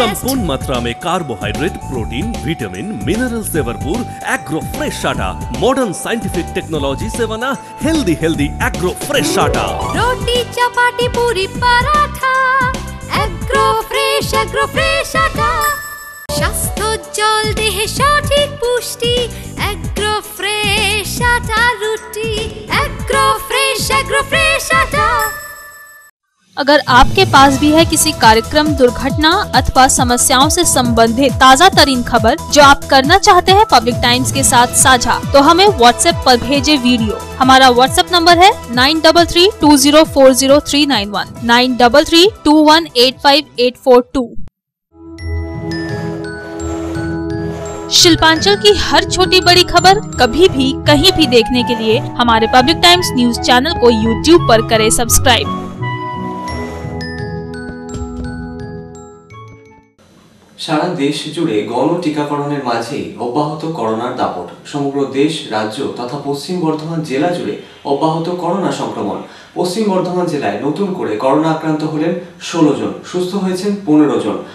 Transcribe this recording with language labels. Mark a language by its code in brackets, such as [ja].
[hi] संपूर्ण मात्रा में कार्बोहाइड्रेट, प्रोटीन, विटामिन, मिनरल्स से भरपूर एग्रो फ्रेश आटा। मॉडर्न साइंटिफिक टेक्नोलॉजी से बना हेल्दी हेल्दी एग्रो फ्रेश आटा। रोटी, चपाती, पूरी, paratha, agro fresh, agro fresh आटा। [bn] স্বাস্থ্যোজ্জ্বল দেহে সঠিক পুষ্টি, এগ্রো ফ্রেশ আটা রুটি, এগ্রো ফ্রেশ, এগ্রো ফ্রেশ আটা। [hi] अगर आपके पास भी है किसी कार्यक्रम, दुर्घटना अथवा समस्याओं से संबंधित ताज़ा तरीन खबर जो आप करना चाहते हैं पब्लिक टाइम्स के साथ साझा, तो हमें व्हाट्सएप पर भेजे वीडियो। हमारा व्हाट्सएप नंबर है 9332040391, 9332185842। शिल्पांचल की हर छोटी बड़ी खबर कभी भी कहीं भी देखने के लिए हमारे पब्लिक टाइम्स न्यूज चैनल को यूट्यूब पर करें सब्सक्राइब। [bn] সারা দেশ জুড়ে গণ টিকাকরণের মাঝেই অব্যাহত করোনার দাপট। সমগ্র দেশ, রাজ্য তথা পশ্চিম বর্ধমান জেলা জুড়ে অব্যাহত করোনা সংক্রমণ। পশ্চিম বর্ধমান জেলায় নতুন করে করোনা আক্রান্ত হলেন 16 জন, সুস্থ হয়েছেন 15 জন।